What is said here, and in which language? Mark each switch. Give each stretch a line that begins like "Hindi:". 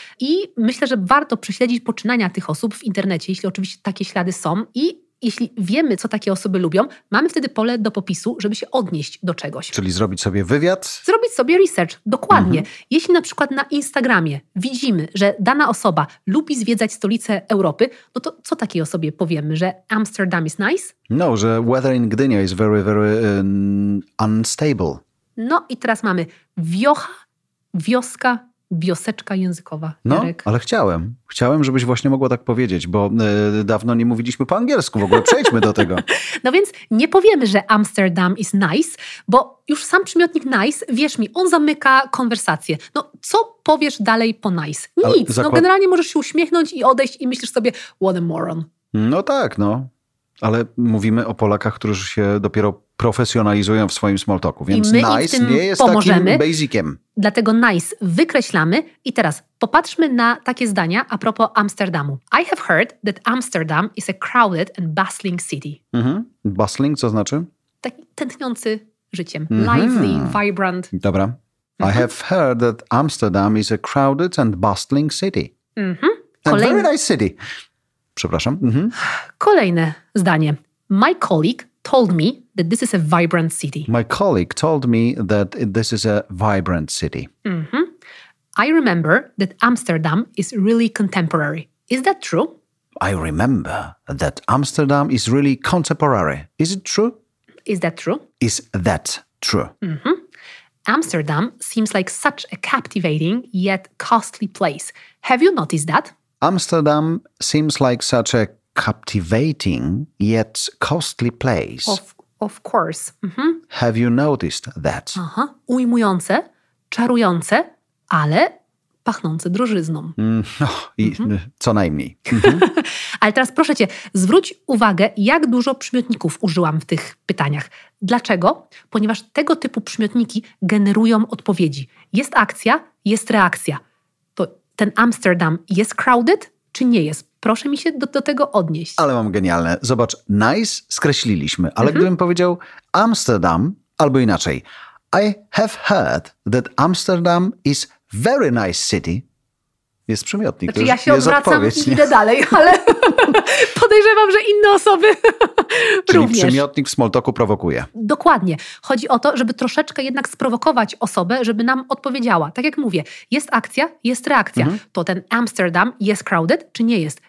Polish: I myślę, że warto prześledzić poczynania tych osób w internecie, jeśli oczywiście takie ślady są i jeśli wiemy, co takie osoby lubią, mamy wtedy pole do popisu, żeby się odnieść do czegoś. Czyli zrobić sobie wywiad? Zrobić sobie research, dokładnie. Mhm. Jeśli na przykład na Instagramie widzimy, że dana osoba lubi zwiedzać stolice Europy, no to co takiej osobie powiemy, że
English: Amsterdam is nice?
Polish: No, że
English: weather in Gdynia is very, very unstable.
Polish: No i teraz mamy wiocha, wioska, wioseczka językowa. No, Jarek. Ale chciałem. Chciałem, żebyś właśnie mogła tak powiedzieć, bo dawno nie mówiliśmy po angielsku. W ogóle przejdźmy do tego. No więc nie powiemy, że
English: Amsterdam is nice,
Polish: bo już sam przymiotnik nice, wierz mi, on zamyka konwersację. No, co powiesz dalej po nice? Nic. No, generalnie możesz się uśmiechnąć i odejść i myślisz sobie,
English: what a moron.
Polish: No tak, no. Ale mówimy o Polakach, którzy się dopiero profesjonalizują w swoim small talku, więc nice nie jest pomożemy, takim basiciem. Dlatego nice wykreślamy i teraz popatrzmy na takie zdania a propos Amsterdamu.
English: I have heard that Amsterdam is a crowded and bustling city.
Polish: Mhm. Bustling, co znaczy? Taki tętniący życiem.
English: Lively, vibrant.
Polish: Dobra.
English: I have heard that Amsterdam is a crowded and bustling city. Mhm. And very nice city.
Polish: Przepraszam. Kolejne zdanie.
English: My colleague told me that this is a vibrant city. My colleague told me that this is a vibrant city. Mm-hmm. I remember that Amsterdam is really contemporary. Is that true? I remember that Amsterdam is really contemporary. Is it true? Is that true? Is that true? Mm-hmm. Amsterdam seems like such a captivating yet costly place. Have you noticed that? Amsterdam seems like such a captivating yet costly place. Of course. Mm-hmm. Have you noticed that? Uh-huh.
Polish: Ujmujące, czarujące, ale pachnące drożyzną. Co najmniej. Ale teraz proszę Cię, zwróć uwagę, jak dużo przymiotników użyłam w tych pytaniach. Dlaczego? Ponieważ tego typu przymiotniki generują odpowiedzi. Jest akcja, jest reakcja. To ten Amsterdam jest crowded, czy nie jest? Proszę mi się do tego odnieść. Ale mam genialne. Zobacz, nice skreśliliśmy, ale gdybym powiedział Amsterdam, albo inaczej.
English: I have heard that Amsterdam is very nice city.
Polish: Jest przymiotnik. Znaczy, ja się odwracam i idę dalej, ale podejrzewam, że inne osoby również. Czyli przymiotnik w small talku prowokuje. Dokładnie. Chodzi o to, żeby troszeczkę jednak sprowokować osobę, żeby nam odpowiedziała. Tak jak mówię, jest akcja, jest reakcja. Mhm. To ten Amsterdam jest crowded, czy nie jest?